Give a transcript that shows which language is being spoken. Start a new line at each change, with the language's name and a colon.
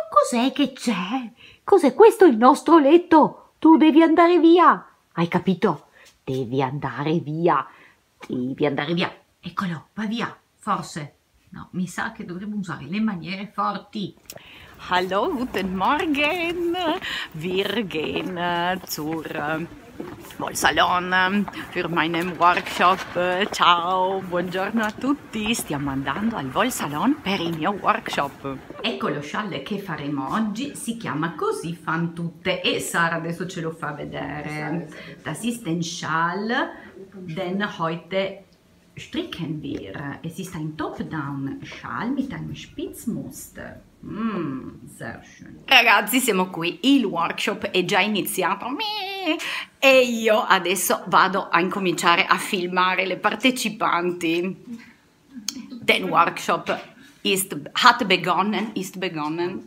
Italian: Cos'è che c'è? Cos'è questo il nostro letto? Tu devi andare via! Hai capito? Devi andare via! Devi andare via! Eccolo, va via, forse. No, mi sa che dovremmo usare le maniere forti.
German: Hallo, guten Morgen. Wir gehen zur Volsalon für meinen Workshop.
Italian: Ciao, buongiorno a tutti. Stiamo andando al Volsalon per il mio workshop. Ecco lo scialle che faremo oggi. Si chiama Così fan tutte. E Sara adesso ce lo fa vedere.
German: Das ist ein Schal, denn heute stricken wir. Es ist ein Top-Down-Schal mit einem Spitzmuster. Sehr schön.
Italian: Ragazzi, siamo qui. Il workshop è già iniziato. E io adesso vado a incominciare a filmare le partecipanti.
German: Den Workshop ist, hat begonnen, ist begonnen.